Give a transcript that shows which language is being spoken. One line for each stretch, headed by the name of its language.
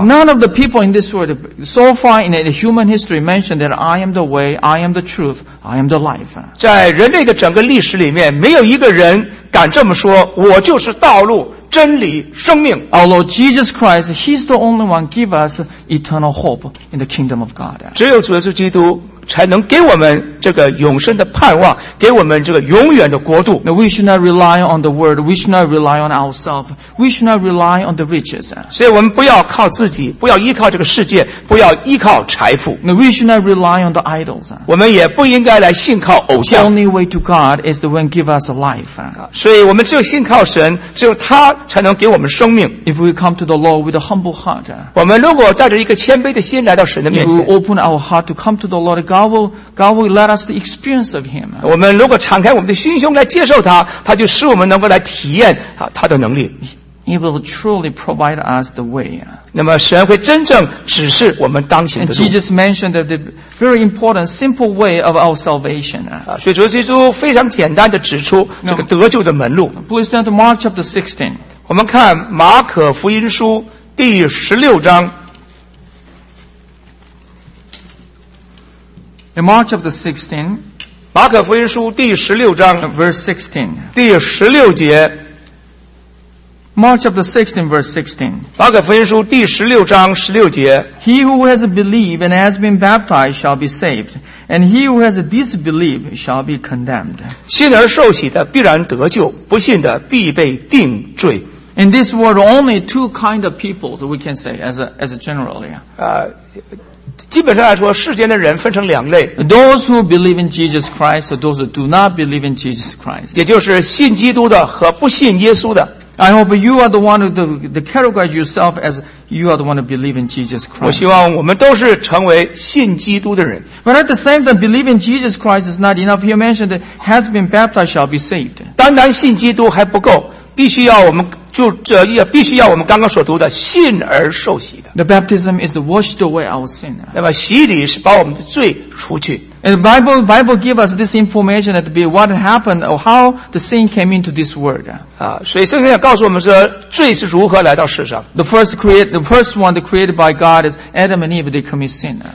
English: None of the people in this world so far in the human history mentioned that I am the way, I am the truth, I am the life.
Chinese: 在人类的整个历史里面，没有一个人敢这么说，我就是道路、真理、生命。
English: Our Lord Jesus Christ, He's the only one give us eternal hope in the kingdom of God.
Chinese: 只有主耶稣基督才能给我们这个永生的盼望，给我们这个永远的国度。
English: We should not rely on the world. We should not rely on ourselves. We should not rely on the riches.
Chinese: 所以我们不要靠自己，不要依靠这个世界，不要依靠财富。
English: We should not rely on the idols.
Chinese: 我们也不应该来信靠偶像。
English: Only way to God is the one give us life.
Chinese: 所以我们只有信靠神，只有他才能给我们生命。
English: If we come to the Lord with a humble heart,
Chinese: 我们如果带着一个谦卑的心来到神的面前
English: ，If we open our heart to come to the Lord, God will let us the experience of Him.
Chinese: 我们如果敞开我们的心胸来接受他，他就使我们能够来体验他的能力。
English: He will truly provide us the way.
Chinese: 那么神会真正指示我们当行的路。
English: Jesus mentioned the very important simple way of our salvation.
Chinese: 所以主耶稣基督非常简单地指出这个得救的门路。
English: Please turn to Mark chapter 16.
Chinese: 我们看马可福音书第16章。
English: In March of the 16,
Chinese: 马可福音书第十六章
English: verse 16,
Chinese: 第十六节。
English: Mark chapter 16, verse 16.
Chinese: 马可福音书第十六章十六节。
English: He who has believed and has been baptized shall be saved, and he who has disbelieved shall be condemned.
Chinese: 信而受洗的必然得救，不信的必被定罪。
English: In this world, only two kind of people, we can say, as a generally.
Chinese: 基本上来说，世间的人分成两类。
English: Those who believe in Jesus Christ, or those who do not believe in Jesus Christ.
Chinese: 也就是信基督的和不信耶稣的。
English: I hope you are the one who the categorize yourself as you are the one who believe in Jesus Christ.
Chinese: 我希望我们都是成为信基督的人。
English: But at the same time, believing Jesus Christ is not enough. He mentioned that has been baptized shall be saved.
Chinese: 单单信基督还不够，必须要我们就这也必须要我们刚刚所读的信而受洗的。
English: The baptism is to wash away our sin.
Chinese: 那么洗礼是把我们的罪除去。
English: And the Bible give us this information that be what happened or how the sin came into this world.
Chinese: 所以圣经也告诉我们说罪是如何来到世上。
English: The first one created by God is Adam and Eve. They commit sin.